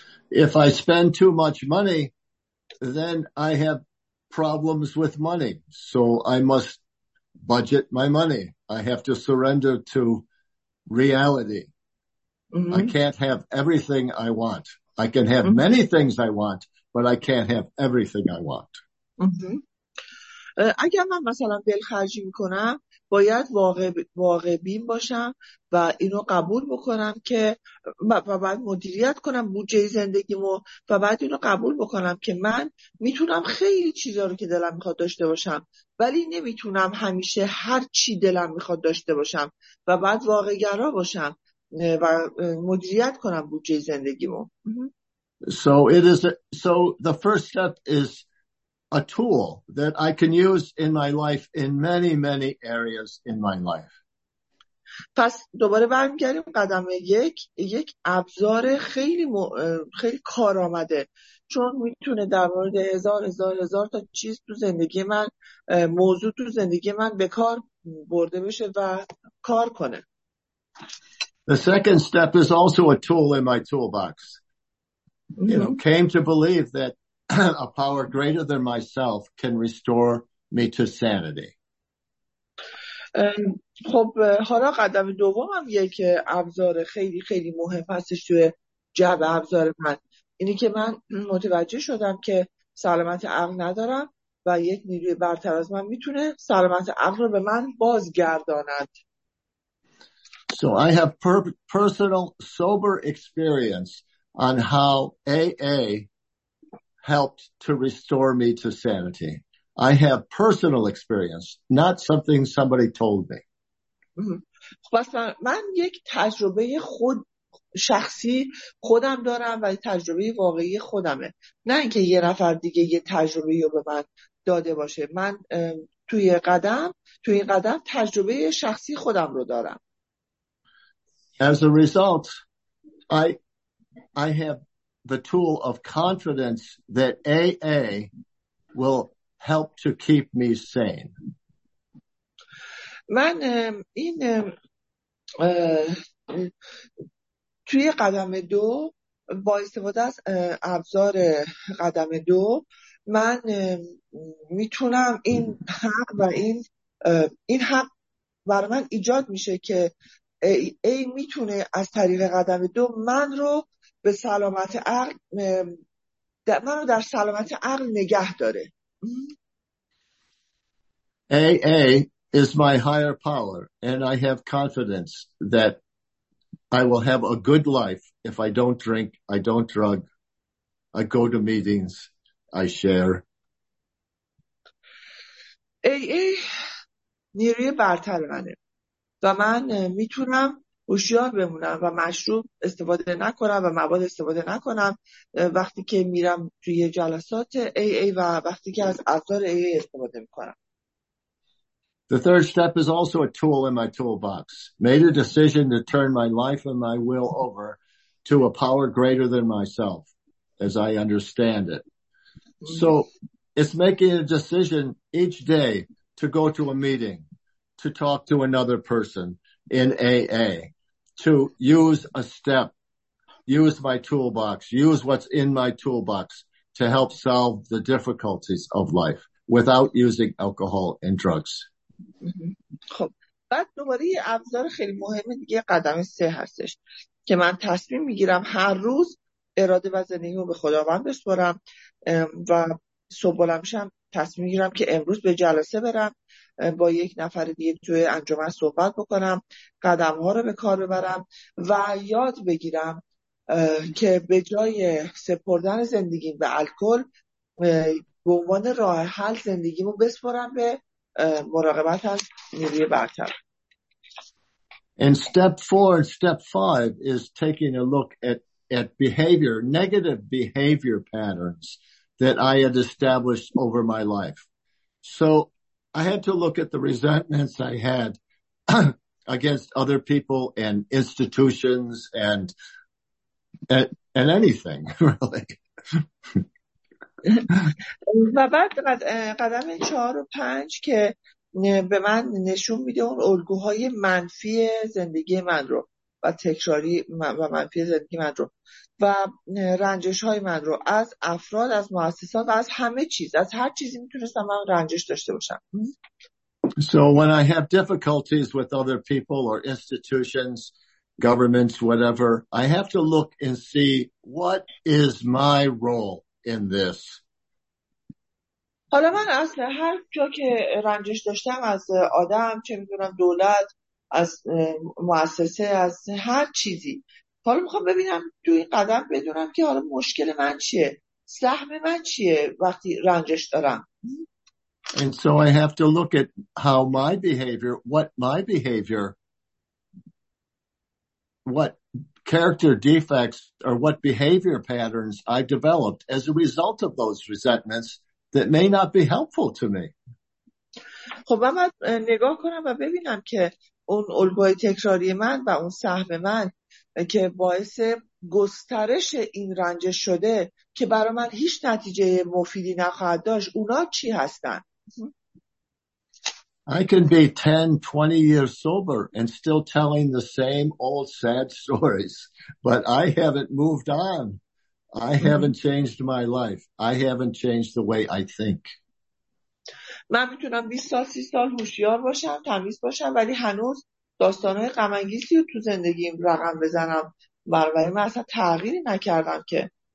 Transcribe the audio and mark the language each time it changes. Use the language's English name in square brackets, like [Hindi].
[English] If I spend too much money, then I have problems with money. So I must budget my money. I have to surrender to reality. Mm-hmm. I can't have everything I want. I can have mm-hmm. many things I want, but I can't have everything I want. Mm-hmm. [Persian] اگر من مثلا دلخرجی میکنم، باید واقع بین باشم و اینو قبول بکنم که باید مدیریت کنم بودجه زندگیمو و باید اینو قبول بکنم که من میتونم خیلی چیزا رو که دلم میخواد داشته باشم، ولی نمیتونم همیشه هر چی دلم میخواد داشته باشم و باید واقع گرا باشم و مدیریت کنم بودجه زندگیمو. [English] So it is so the first step is a tool that I can use in my life in many many areas in my life. [Persian] پس دوباره برمیگردیم قدم یک ابزار خیلی کارآمده، چون میتونه در مورد هزار تا چیز تو زندگی من، موضوع تو زندگی من به کار برده بشه و کار کنه. [English] The second step is also a tool in my toolbox. Mm-hmm. You know, came to believe that a power greater than myself can restore me to sanity. [Persian] خب حالا قدم دومم یک ابزار خیلی خیلی مهم هستش توی جعب ابزار من. اینی که من متوجه شدم که سلامت عقل ندارم و یک نیروی برتر از من میتونه سلامت عقل رو به من بازگرداند. [English] So I have personal sober experience on how AA helped to restore me to sanity. I have personal experience, not something somebody told me. [Persian] پس من یک تجربه خود شخصی خودم دارم و تجربه واقعی خودمه، نه اینکه یه نفر دیگه یه تجربه رو به من داده باشه. من توی قدم تجربه شخصی خودم رو دارم. [English] As a result, I have the tool of confidence that AA will help to keep me sane. [Persian] من این توی قدم دو با استفاده از ابزار قدم دو من میتونم این حق و این حق برای من ایجاد میشه که ای میتونه از طریق قدم دو من رو به سلامت عقل من رو در سلامت عقل نگه داره. [English] AA is my higher power and I have confidence that I will have a good life if I don't drink, I don't drug, I go to meetings, I share. [Persian] AA نیروی برتر منه و من میتونم هوشیار بمونم و مشروب استفاده نکنم و مواد استفاده نکنم وقتی که میرم توی جلسات AA و وقتی که از ابزار AA استفاده میکنم. [English] The third step is also a tool in my toolbox. Made a decision to turn my life and my will over to a power greater than myself, as I understand it. So it's making a decision each day to go to a meeting, to talk to another person in AA, to use a step, use my toolbox, use what's in my toolbox to help solve the difficulties of life without using alcohol and drugs. [Persian] خب بعد دوباره یه ابزار خیلی مهمه دیگه قدم سه هستش که من تصمیم میگیرم هر روز اراده و زندگیمو به خداوند بسپارم و صبح بلند میشم تصمیم میگیرم که امروز به جلسه برم با یک نفر دیگه توی انجمن صحبت بکنم قدم ها رو به کار ببرم و یاد بگیرم که به جای سپردن زندگیم به الکل به عنوان راه حل زندگیمو بسپارم به مراقبت از نیروی برتر. [English] And step four and step five is taking a look at behavior, negative behavior patterns that I had established over my life. So I had to look at the resentments I had against other people and institutions and anything really. [Persian] و بعد قدم چهار و پنج که به من نشون میده اون الگوهای منفی زندگی من رو و تکراری و منفی زندگی من رو و رنجش های من رو از افراد از مؤسسات و از همه چیز از هر چیزی میتونستم من رنجش داشته باشم. [English] So when I have difficulties with other people or institutions, governments, whatever, I have to look and see what is my role in this. [Persian] حالا من اصلا هر جا که رنجش داشتم از آدم چه میدونم دولت از مؤسسه از هر چیزی حالا میخوام ببینم تو این قدم بدونم که حالا مشکل من چیه سهم من چیه وقتی رنجش دارم. [English] And so I have to look at how my behavior, what my behavior, what character defects or what behavior patterns I developed as a result of those resentments that may not be helpful to me. [Persian] خب من نگاه کنم و ببینم که اون الگوی تکراری من و اون سهم من که باعث گسترش این رنج شده که برای من هیچ نتیجه مفیدی نخواهد داشت اونا چی هستن. [English] I can be 10, 20 years sober and still telling the same old sad stories, but I haven't moved on. I haven't changed my life. I haven't changed the way I think. [Persian] من میتونم 20 سال 30 سال هوشیار باشم، تمیز باشم ولی هنوز داستانهای غم انگیزی رو تو زندگیم رقم بزنم. برای من اصلا تغییری نکردم که.